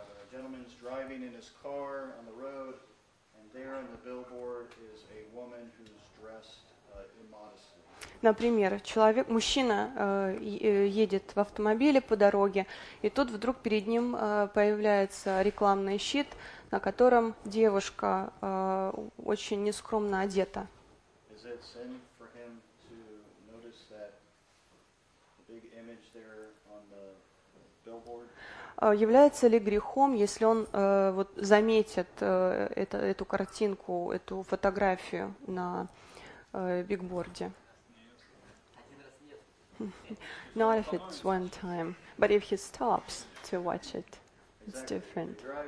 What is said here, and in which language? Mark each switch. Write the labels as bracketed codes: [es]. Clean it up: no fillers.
[en] Gentleman's driving in his car on the road, and there on the billboard is a woman who's dressed immodestly. [ru] Например, человек, мужчина едет в автомобиле по дороге, и тут вдруг перед ним появляется рекламный щит, на котором девушка очень нескромно одета. [en] Is it sin for him to notice that big image there on the billboard? [ru] Является ли грехом, если он вот заметит эту картинку, эту фотографию на бигборде? [en] Not if it's one time, but if he stops to watch it, it's different.